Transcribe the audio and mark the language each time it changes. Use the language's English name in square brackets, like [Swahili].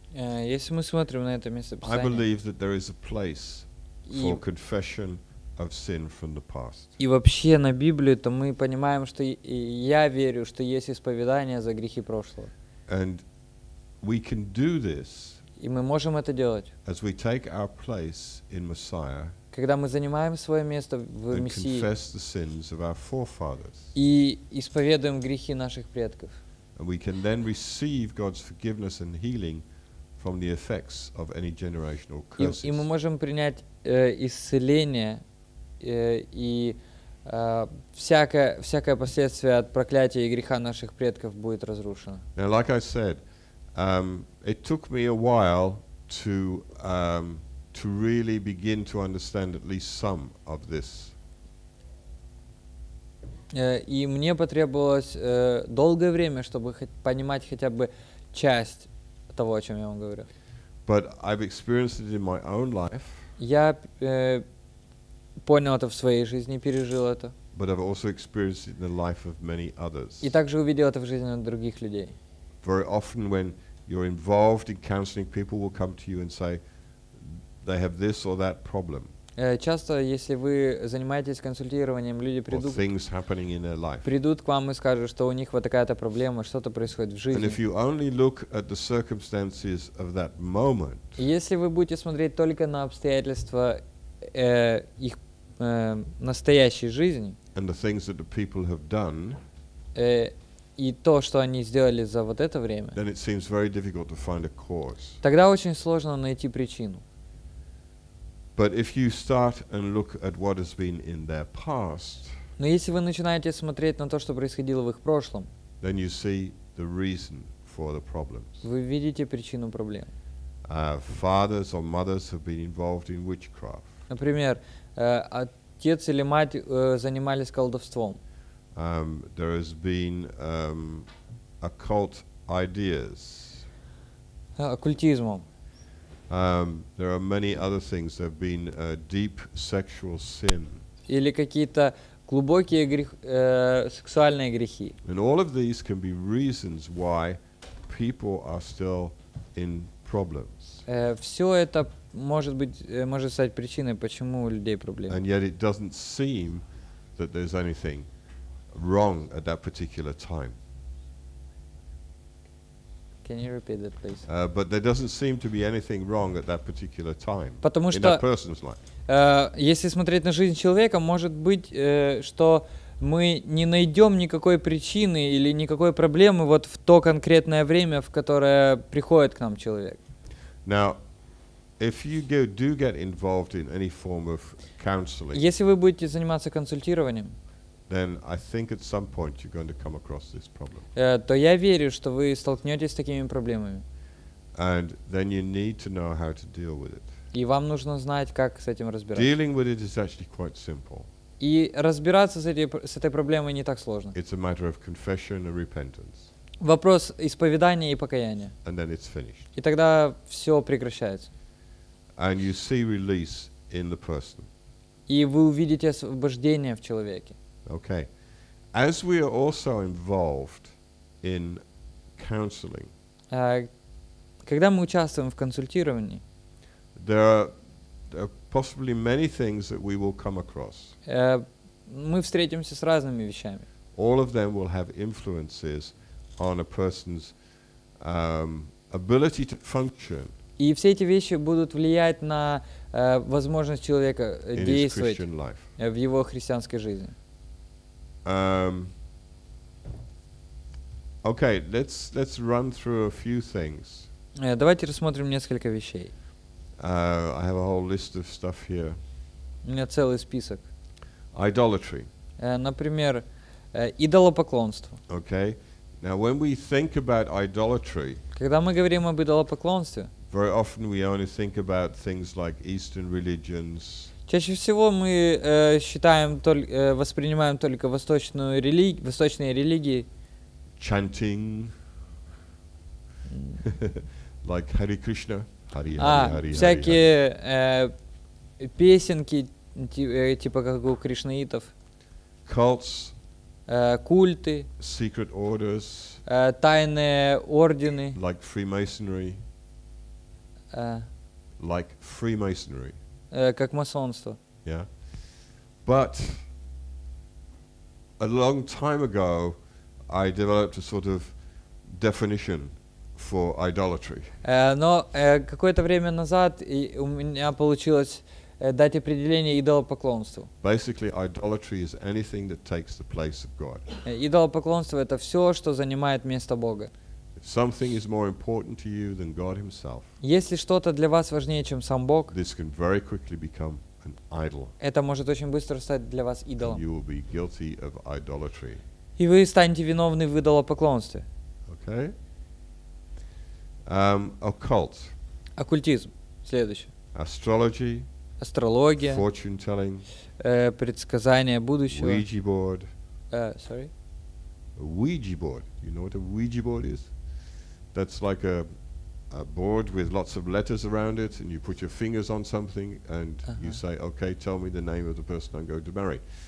[Russian] если мы смотрим на это место Писания, [English] I believe that there is a place for confession of sin from the past. [Russian] И вообще на Библию, то мы понимаем, что я верю, что есть исповедание за грехи прошлого. [English] And we can do this. [Russian] И мы можем это делать. [English] As we take our place in Messiah. [Russian] Когда мы занимаем свое место в Мессии. [English] And confess the sins of our forefathers. [Russian] И исповедуем грехи наших предков. [English] And we can then receive God's forgiveness and healing from the effects of any generational curses. [Russian] И мы можем принять исцеление и всякое последствие от проклятия и греха наших предков будет разрушено. [English] Now, like I said, it took me a while to really begin to understand at least some of this. [Russian] И мне потребовалось долгое время, чтобы понимать хотя бы часть того, о чем я вам говорю. [English] But I've experienced it in my own life. [Russian] Я понял это в своей жизни, пережил это. [English] But I've also experienced it in the life of many others. [Russian] И также увидел это в жизни других людей. [English] Very often when you're involved in counseling, people will come to you and say they have this or that problem. [Russian] Часто, если вы занимаетесь консультированием, люди придут, придут к вам и скажут, что у них вот такая-то проблема, что-то происходит в жизни. [English] Moment, [Russian] если вы будете смотреть только на обстоятельства их настоящей жизни [English] done, [Russian] и то, что они сделали за вот это время, тогда очень сложно найти причину. [English] But if you start and look at what has been in their past, [Russian] но если вы начинаете смотреть на то, что происходило в их прошлом, [English] then you see the reason for the problems. [Russian] Вы видите причину проблем. [English] Fathers or mothers have been involved in witchcraft. [Russian] Например, отец или мать занимались колдовством. [English] There has been occult ideas. [Russian] Оккультизмом. [English] There are many other things. There have been deep sexual sin. [Russian] Или какие-то глубокие сексуальные грехи. [English] And all of these can be reasons why people are still in problems. [Russian] Все это может быть, может стать причиной, почему у людей проблемы. [English] And yet it doesn't seem that there's anything wrong at that particular time. Can you repeat that, please? But there doesn't seem to be anything wrong at that particular time. [Russian] Потому [English] in [Russian] что, [English] that person's life. [Russian] Если смотреть на жизнь человека, может быть, что мы не найдем никакой причины или никакой проблемы вот в то конкретное время, в которое приходит к нам человек. [English] Now, if you do get involved in any form of counseling, [Russian] если вы будете заниматься консультированием, [English] then I think at some point you're going to come across this problem. [Russian] То я верю, что вы столкнетесь с такими проблемами. [English] And then you need to know how to deal with it. [Russian] И вам нужно знать, как с этим разбираться. [English] Dealing with it is actually quite simple. [Russian] И разбираться с этой проблемой не так сложно. [English] It's a matter of confession and repentance. [Russian] Вопрос исповедания и покаяния. [English] And then it's finished. [Russian] И тогда все прекращается. [English] And you see release in the person. [Russian] И вы увидите освобождение в человеке. [English] Okay. As we are also involved in counseling, [Russian] когда мы участвуем в консультировании, [English] there are possibly many things that we will come across. [Russian] Мы встретимся с разными вещами. [English] All of them will have influences on a person's ability to function. [Russian] И все эти вещи будут влиять на возможность человека действовать в его христианской жизни. [English] Okay, let's run through a few things. [Russian] Давайте рассмотрим несколько вещей. [English] I have a whole list of stuff here. [Russian] У меня целый список. [English] Idolatry. [Russian] Например, идолопоклонство. [English] Okay. Now when we think about idolatry, [Russian] когда мы говорим об идолопоклонстве, [English] very often we only think about things like Eastern religions. [Russian] Чаще всего мы считаем воспринимаем только восточную восточные религии. [English] Chanting, like Hare Krishna, Hare Hare Hare. [Russian] Всякие песенки типа как у кришнаитов. [English] Cults, [Russian] культы. [English] Secret orders, [Russian] тайные ордены. [English] Like Freemasonry. Like Freemasonry. [Russian] Как масонство. [English] Yeah. But a long time ago I developed a sort of definition for idolatry. [Russian] Какое-то время назад у меня получилось дать определение идолопоклонству. [English] Basically, idolatry is anything that takes the place of God. [Russian] Идолопоклонство это всё, что занимает место Бога. [English] Something is more important to you than God himself. [Russian] Если что-то для вас важнее, чем сам Бог, [English] this can very quickly become an idol. [Russian] Это может очень быстро стать для вас идолом. [English] You will be guilty of idolatry. [Russian] И вы станете виновны в идолопоклонстве. [English] Okay. Occult. [Russian] Оккультизм. Следующее. [English] Astrology. [Russian] Астрология. [English] Fortune telling. [Russian] Предсказания будущего. [English] Ouija board. Sorry. A Ouija board. You know what a Ouija board is? That's like a board with lots of letters around it, and you put your fingers on something, and you say, "Okay, tell me the name of the person I'm going to marry."